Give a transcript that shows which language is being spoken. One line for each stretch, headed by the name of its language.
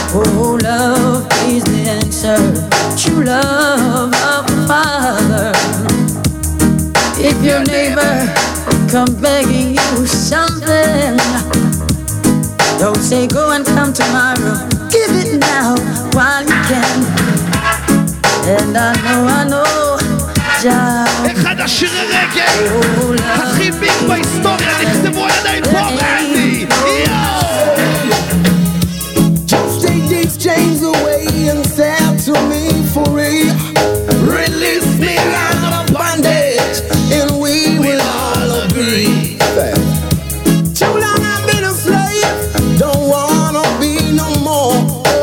English: Oh, love is the answer. True love of the Father. If your neighbor come begging you something, don't say go and come tomorrow. Give it now while you can. And I know, John.
Hebrew: אחד השירי רגל הכי ביג בהיסטוריה נכתבו על ידי פה רנדי.
English: Just take these chains away and set to me free. Release me out of bondage and we will all agree. Too long I've been a slave, don't wanna be no more.